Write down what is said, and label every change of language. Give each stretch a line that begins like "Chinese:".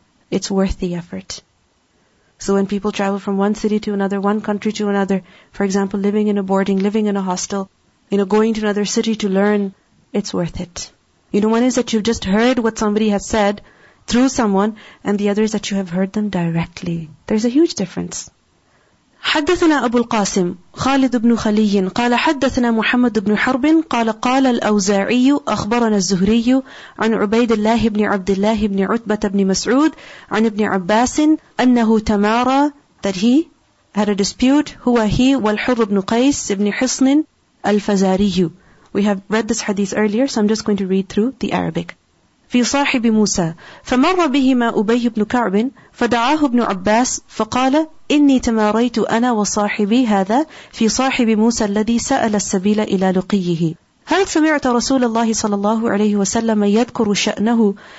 English: It's worth the effort. So when people travel from one city to another, one country to another, for example, living in a boarding, living in a hostel, you know, going to another city to learn, it's worth it. You know, one is that you've just heard what somebody has said through someone, and the other is that you have heard them directly. There's a huge difference.
Arabic: حدثنا أبو القاسم خالد بن خلي قال حدثنا محمد بن حرب قال قال الأوزاعي أخبرنا الزهري عن عبيد الله بن عبد الله بن عتبة بن مسعود عن ابن عباس أنه تمارى
English: that he had a dispute
Arabic: هو he والحر بن قيس بن حصن الفزاري.
English: We have read this hadith earlier, so I'm just going to read through the Arabic.
Arabic: في صاحب موسى فمر بهما أبي بن كعب فدعاه ابن عباس فقال إني تماريت أنا وصاحبي هذا في صاحب موسى الذي سأل السبيل إلى لقيه هل سمعت رسول الله صلى الله عليه وسلم يذكر شأنه